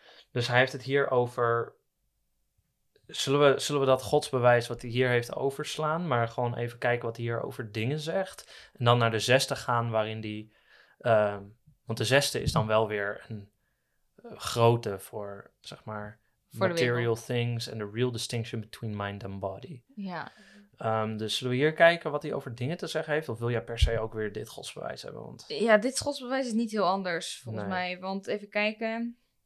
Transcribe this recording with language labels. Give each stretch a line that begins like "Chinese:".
Dutch: Dus hij heeft het hier over. Zullen we dat godsbewijs wat hij hier heeft overslaan? Maar gewoon even kijken wat hij hier over dingen zegt. En dan naar de zesde gaan waarin die. Want de zesde is dan wel weer een grote voor, zeg maar, voor
English: material things and the real distinction between mind and body.
Dutch: Ja. Dus zullen we hier kijken wat hij over dingen te zeggen heeft? Of wil jij per se ook weer dit godsbewijs hebben? Want... Ja, dit godsbewijs is niet heel anders, volgens mij. Want even kijken.